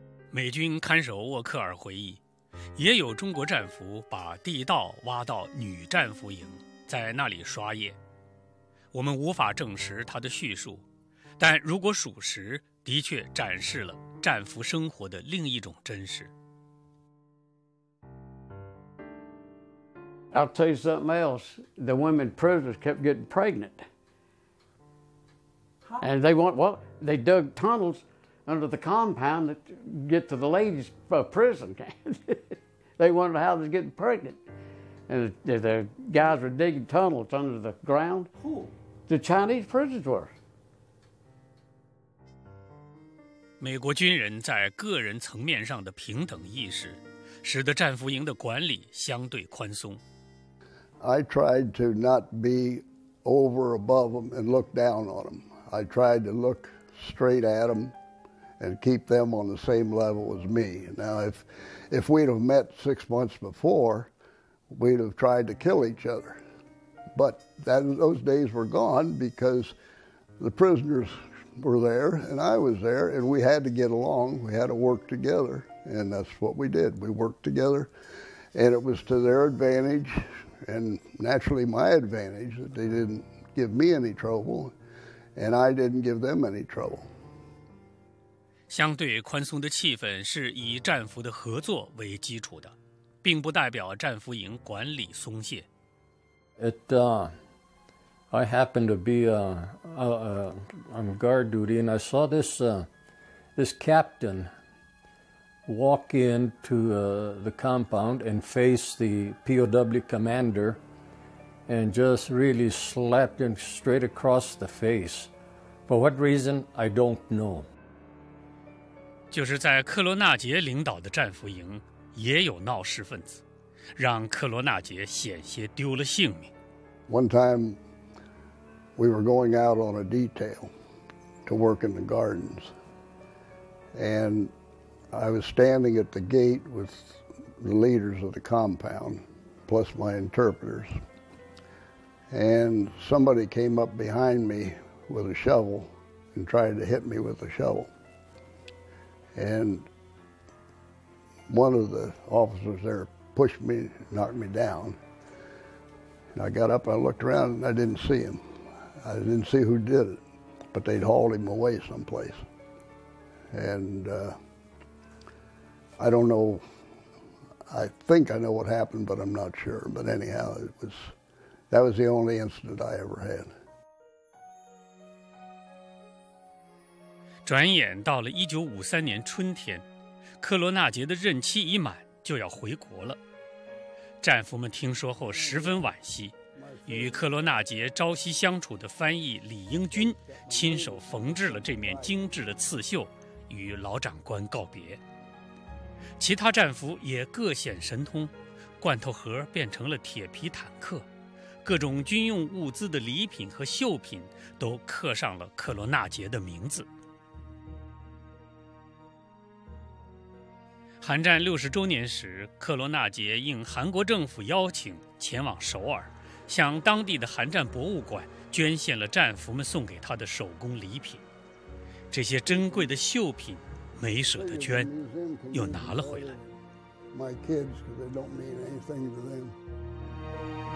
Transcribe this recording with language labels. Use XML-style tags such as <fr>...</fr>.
<zh>美军看守沃克尔回忆，也有中国战俘把地道挖到女战俘营，在那里刷夜。我们无法证实他的叙述，但如果属实，的确展示了战俘生活的另一种真实。</zh> <en>I'll tell you something else. The women prisoners kept getting pregnant. And they want, well, they dug tunnels under the compound to get to the ladies' prison. They wondered how they were getting pregnant. And the guys were digging tunnels under the ground. Who? The Chinese prisoners were.</en> <zh>美国军人在个人层面上的平等意识，使得战俘营的管理相对宽松。</zh> <en>I tried to not be over above them and look down on them. I tried to look straight at them and keep them on the same level as me. Now, if we'd have met 6 months before, we'd have tried to kill each other. But that, those days were gone because the prisoners were there and I was there and we had to get along. We had to work together and that's what we did. We worked together and it was to their advantage. And naturally, my advantage that they didn't give me any trouble, and I didn't give them any trouble.</en> <zh>相对宽松的气氛是以战俘的合作为基础的，并不代表战俘营管理松懈。</zh> <en>I happened to be on guard duty, and I saw this captain walk into the compound and face the POW commander and just really slapped him straight across the face. For what reason, I don't know.</en> <zh>就是在克罗纳杰领导的战俘营也有闹事分子，让克罗纳杰险些丢了性命。</zh> <en>One time, we were going out on a detail to work in the gardens, and I was standing at the gate with the leaders of the compound, plus my interpreters. And somebody came up behind me with a shovel and tried to hit me with a shovel. And one of the officers there pushed me, knocked me down. And I got up, I looked around, and I didn't see him. I didn't see who did it, but they'd hauled him away someplace. And I don't know, I think I know what happened, but I'm not sure. But anyhow, that was the only incident I ever had.</en> <zh>转眼到了1953年春天，科罗纳杰的任期已满，就要回国了。战俘们听说后十分惋惜，与科罗纳杰朝夕相处的翻译李英军亲手缝制了这面精致的刺绣，与老长官告别。其他战俘也各显神通，罐头盒变成了铁皮坦克，各种军用物资的礼品和绣品都刻上了科罗纳杰的名字。韩战60周年时，科罗纳杰应韩国政府邀请前往首尔，向当地的韩战博物馆捐献了战俘们送给他的手工礼品。这些珍贵的绣品没舍得捐，又拿了回来。</zh> <en>My kids, because they don't mean anything to them.</en>